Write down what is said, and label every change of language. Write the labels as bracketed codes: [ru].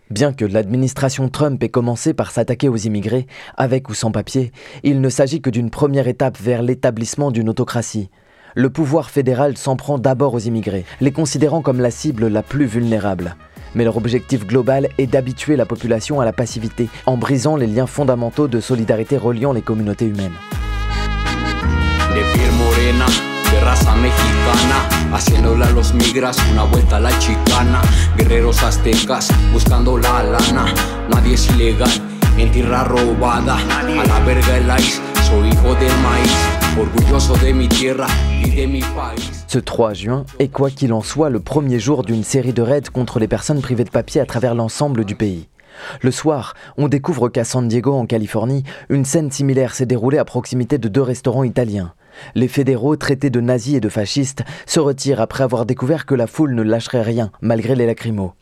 [fr] Bien que l'administration Trump ait commencé par s'attaquer aux immigrés, avec ou sans papier, il ne s'agit que d'une première étape vers l'établissement d'une autocratie. Le pouvoir fédéral s'en prend d'abord aux immigrés, les considérant comme la cible la plus vulnérable. Mais leur objectif global est d'habituer la population à la passivité, en brisant les liens fondamentaux de solidarité reliant les communautés humaines. [es] De piel morena, de raza mexicana, haciéndole a los migras una vuelta a la chicana. Guerreros aztecas, buscando la lana, nadie es ilegal, en tierra robada. A la verga el ICE, soy hijo del maíz, orgulloso de mi tierra y de mi país. [fr] Ce 3 juin est quoi qu'il en soit le premier jour d'une série de raids contre les personnes privées de papier à travers l'ensemble du pays. Le soir, on découvre qu'à San Diego, en Californie, une scène similaire s'est déroulée à proximité de deux restaurants italiens. Les fédéraux, traités de nazis et de fascistes, se retirent après avoir découvert que la foule ne lâcherait rien, malgré les lacrymos.